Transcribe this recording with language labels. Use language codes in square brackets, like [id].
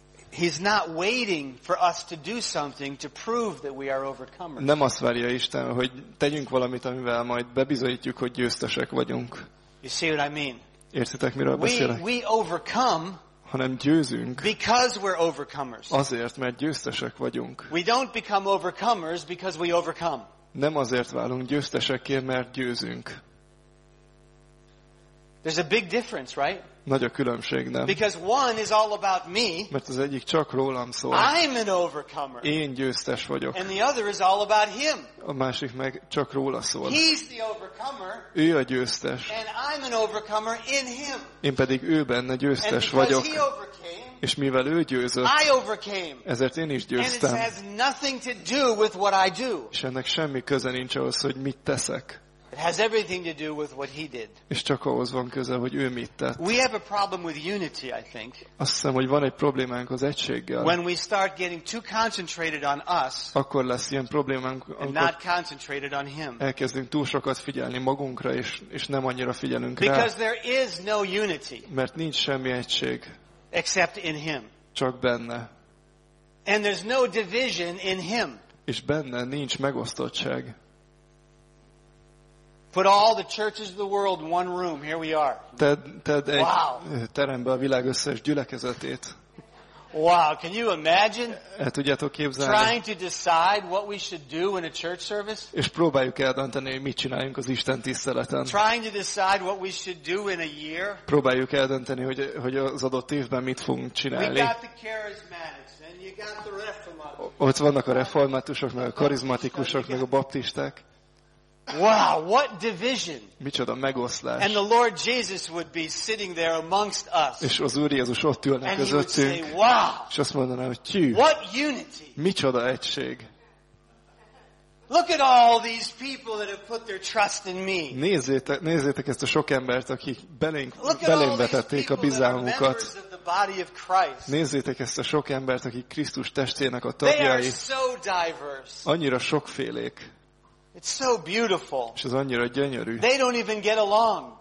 [en] He's not waiting for us to do something to prove that we are overcomers. [hu] Nem azt várja Isten, hogy tegyünk valamit, amivel majd bebizonyítjuk, hogy győztesek vagyunk. [en] You see what I mean? [hu] Értitek, miről beszélek? [en] We overcome. [hu] Hanem győzünk. [en] Because we're overcomers. [hu] Azért, mert győztesek vagyunk. [en] We don't become overcomers because we overcome. [hu] Nem azért válunk győztesekké, mert győzünk. [en] There's a big difference, right? [hu] Nagy a különbség, nem? [en] Because one is all about me. [hu] Mert az egyik csak rólam szól. [en] I'm an overcomer. [hu] Én győztes vagyok. [en] And the other is all about him. [hu] A másik meg csak róla szól. [en] He's the overcomer. [hu] Ő a győztes. [en] And I'm an overcomer in him. [hu] Én pedig ő benne győztes vagyok. [en] And because he overcame. [hu] És mivel ő győzött, [en] I overcame. [hu] Ezért én is győztem. [en] And it has nothing to do with what I do. [hu] És ennek semmi köze nincs ahhoz, hogy mit teszek. [en] It has everything to do with what he did. [hu] És csak ahhoz van köze, hogy ő mit tett. [en] We have a problem with unity, I think. [hu] Azt hiszem, hogy van egy problémánk az egységgel. [en] When we start getting too concentrated on us. [hu] Akkor lesz ilyen problémánk, [en] and not concentrated on him. [hu] Elkezdünk túl sokat figyelni magunkra, és nem annyira figyelünk [en] because [hu] rá. [en] Because there is no unity. [hu] Mert nincs semmi egység. [en] Except in him. [hu] Csak benne. [en] And there's no division in him. [hu] És benne nincs megosztottság. [en] Put all the churches of the world in one room. Here we are. [hu] Ted egy terembe a világ összes gyülekezetét. [en] Wow, can you imagine? [hu] El tudjátok képzelni? [en] Trying to decide what we should do in a church service? [hu] És próbáljuk eldönteni, hogy mit csináljunk az Isten tiszteleten. [en] Trying to decide what we should do in a year? [hu] Próbáljuk eldönteni, hogy az adott évben mit fogunk csinálni. [en] We got the charismatics and you got the reformatics. [hu] Ott vannak a reformátusok, meg a karizmatikusok, meg a baptisták. [en] Wow, what division. [hu] Micsoda megoszlás. [en] And the Lord Jesus would be sitting there amongst us. [hu] És az Úr Jézus ott ülne közöttünk. [en] And he would say, wow. [hu] És azt mondaná, hogy tyű. [en] What unity. [hu] Micsoda egység. [en] Look at all these people that have put their trust in me. [hu] Nézzétek ezt a sok embert, akik belém vetették a bizalmukat. Nézzétek ezt a sok embert, akik Krisztus testének a tagjai. Annyira sokfélék. [en] It's so beautiful. [hu] És ez annyira gyönyörű. [en] They don't even get along.